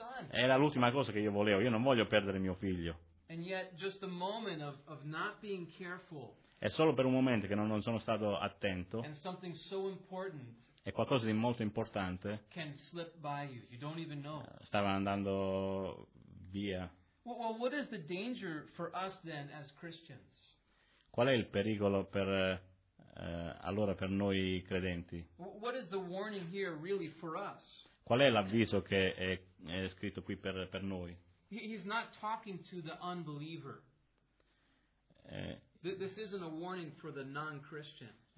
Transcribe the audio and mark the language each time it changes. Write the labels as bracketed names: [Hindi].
[Italian] Era l'ultima cosa che io volevo, io non voglio perdere mio figlio. [English] And yet, just a moment of not being careful, [Italian] è solo per un momento che non sono stato attento [English] and something so important, [Italian] e qualcosa di molto importante [English] can slip by you. You don't even know. [Italian] Stava andando via. [English] Well, what is the danger for us then as Christians? [Italian] Qual è il pericolo per allora per noi credenti? [English] What is the warning here really for us? [Italian] Qual è l'avviso che è scritto qui per noi? [English] He's not talking to the unbeliever. This isn't a warning for the non-Christian.